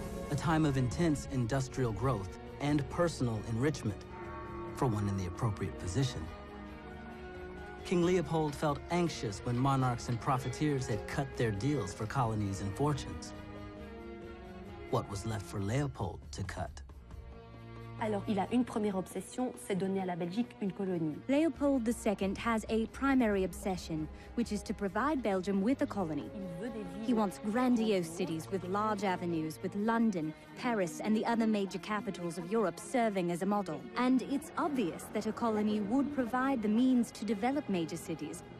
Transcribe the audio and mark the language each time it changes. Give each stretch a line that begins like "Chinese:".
English: A time of intense industrial growth and personal enrichment for one in the appropriate position. King Leopold felt anxious when monarchs and profiteers had cut their deals for colonies and fortunes. What was left for Leopold to cut?
French: Alors, il a une première obsession, c'est donner à la Belgique une colonie.
English: Leopold II has a primary obsession, which is to provide Belgium with a colony. He wants grandiose cities with large avenues, with London, Paris, and the other major capitals of Europe serving as a model. And it's obvious that a colony would provide the means to develop major cities.